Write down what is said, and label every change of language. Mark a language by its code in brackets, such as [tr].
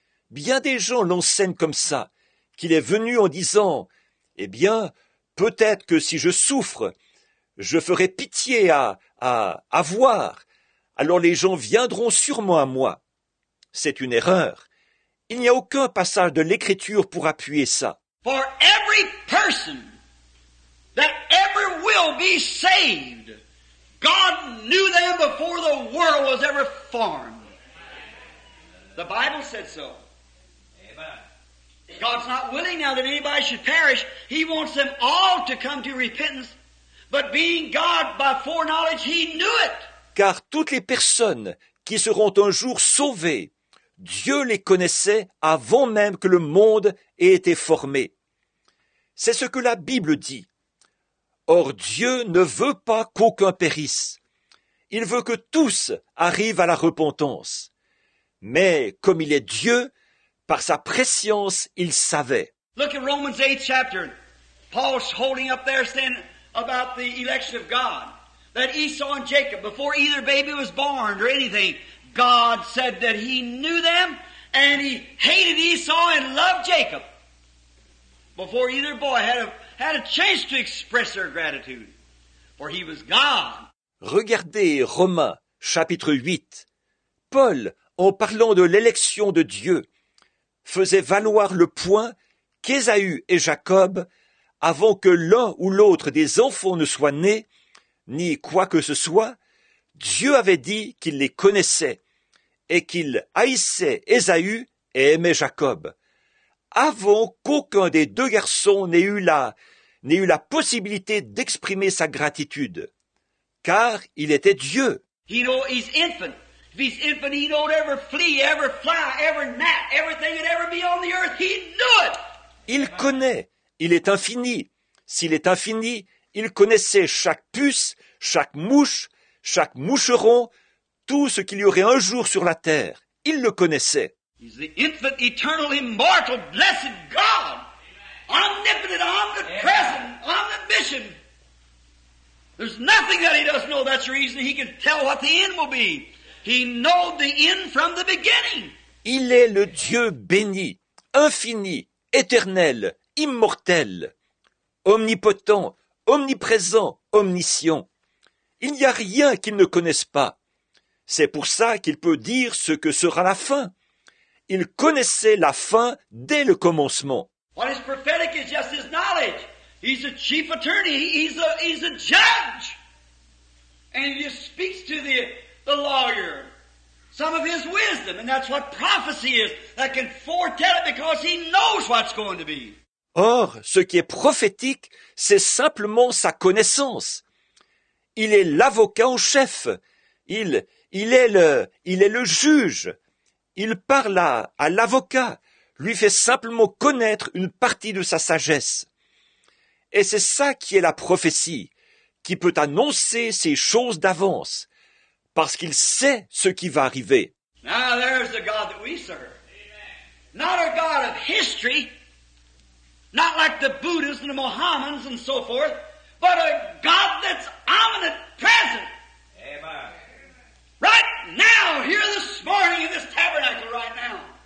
[fr] Bien des gens l'enseignent comme ça, qu'il est venu en disant, « Eh bien, peut-être que si je souffre, je ferai pitié à voir. » Alors les gens viendront sûrement à moi. C'est une erreur. Il n'y a aucun passage de l'Écriture pour appuyer ça. [en] For every person that ever will be saved, God knew them before the world was ever formed. The Bible said so. Amen. God's not willing now that anybody should perish. He wants them all to come to repentance. But being God by foreknowledge, he knew it. [fr] Car toutes les personnes qui seront un jour sauvées, Dieu les connaissait avant même que le monde ait été formé. C'est ce que la Bible dit. Or Dieu ne veut pas qu'aucun périsse. Il veut que tous arrivent à la repentance. Mais comme il est Dieu, par sa prescience, il savait. [en] Look at Romans 8 chapter. Paul's holding up there saying about the election of God. That Esau and Jacob, before either baby was born or anything, God said that he knew them and he hated Esau and loved Jacob. Before either boy had a chance to express their gratitude, for he was God. [fr] Regardez Romains, chapitre 8. Paul, en parlant de l'élection de Dieu, faisait valoir le point qu'Ésaü et Jacob, avant que l'un ou l'autre des enfants ne soit né, ni quoi que ce soit, Dieu avait dit qu'il les connaissait et qu'il haïssait Ésaü et aimait Jacob, avant qu'aucun des deux garçons n'ait eu la possibilité d'exprimer sa gratitude, car il était Dieu. [en] He know he's infant. If he's infant, he don't ever flee, ever fly, ever gnat, everything that ever be on the earth, he knew it. [fr] Il connaît, il est infini. S'il est infini, il connaissait chaque puce, chaque mouche, chaque moucheron, tout ce qu'il y aurait un jour sur la terre. Il le connaissait. [en] He's the infant, eternal, immortal, blessed God, omnipotent, omnipresent, omniscient. There's nothing that he doesn't know. That's the reason he can tell what the end will be. He knows the end from the beginning. [fr] Il est le Dieu béni, infini, éternel, immortel, omnipotent, omniprésent, omniscient. Il n'y a rien qu'il ne connaisse pas. C'est pour ça qu'il peut dire ce que sera la fin. Il connaissait la fin dès le commencement. [en] What is prophetic is just his knowledge. He's a chief attorney. He's a judge. And he just speaks to the lawyer. Some of his wisdom. And that's what prophecy is. That can foretell it because he knows what's going to be. [fr] Or, ce qui est prophétique, c'est simplement sa connaissance. Il est l'avocat en chef. Il est le juge. Il parle à l'avocat, lui fait simplement connaître une partie de sa sagesse. Et c'est ça qui est la prophétie, qui peut annoncer ces choses d'avance, parce qu'il sait ce qui va arriver. [en] Now there's the God that we serve. Amen. not a God of history, not like the Buddhists and the Mohammedans and so forth, but a God that's omnipresent, present. Amen. Right now, here this morning in this tabernacle right now.